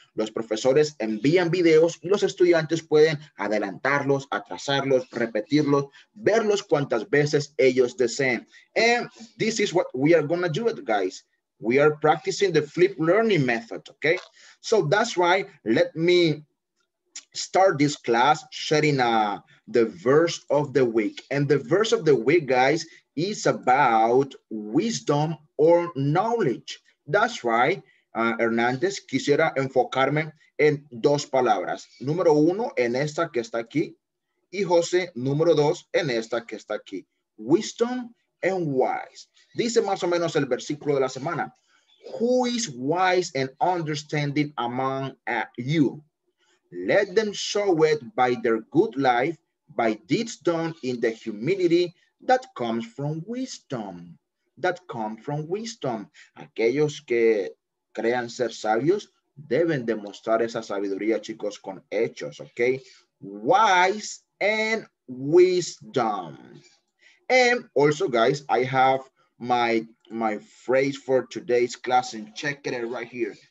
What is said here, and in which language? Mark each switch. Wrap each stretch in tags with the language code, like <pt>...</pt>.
<es>Los profesores envían videos y los estudiantes pueden adelantarlos, atrasarlos, repetirlos, verlos cuantas veces ellos deseen.</es> <en>And this is what we are going to do, guys. We are practicing the flip learning method, okay? So that's why let me start this class sharing the verse of the week. And the verse of the week, guys, is about wisdom or knowledge. That's why.</en> <es>Hernández, quisiera enfocarme en dos palabras. Número uno, en esta que está aquí. Y José, número dos, en esta que está aquí.</es> <en>Wisdom and wise.</en> <es>Dice más o menos el versículo de la semana.</es> <en>Who is wise and understanding among you? Let them show it by their good life, by deeds done in the humility that comes from wisdom. That comes from wisdom.</en> <es>Aquellos que crean ser sabios, deben demostrar esa sabiduría, chicos, con hechos, ¿ok?</es> <en>Wise and wisdom. And also, guys, I have my phrase for today's class and check it right here.</en>